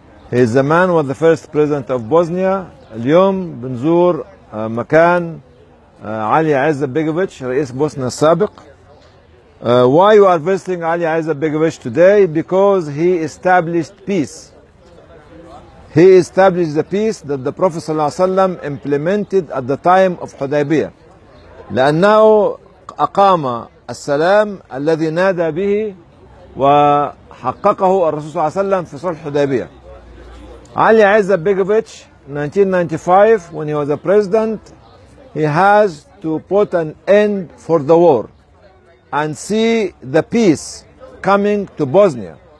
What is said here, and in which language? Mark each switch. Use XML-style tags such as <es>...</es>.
<en>He is the man who was the first president of Bosnia.</en> <ar>اليوم بنزور مكان Alia Izetbegovic, رئيس بوسنا السابق.</ar> <en>Why we are visiting Alia Izetbegovic today? Because he established peace. He established the peace that the Prophet صلى الله عليه وسلم implemented at the time of Hudaybiyah.</en> <ar>لأنه أقام السلام الذي نادى به وحققه الرسول صلى الله عليه وسلم في صلح Hudaybiyah.</ar> <en>Ali Izetbegovic, 1995, when he was a president, he has to put an end for the war and see the peace coming to Bosnia.</en>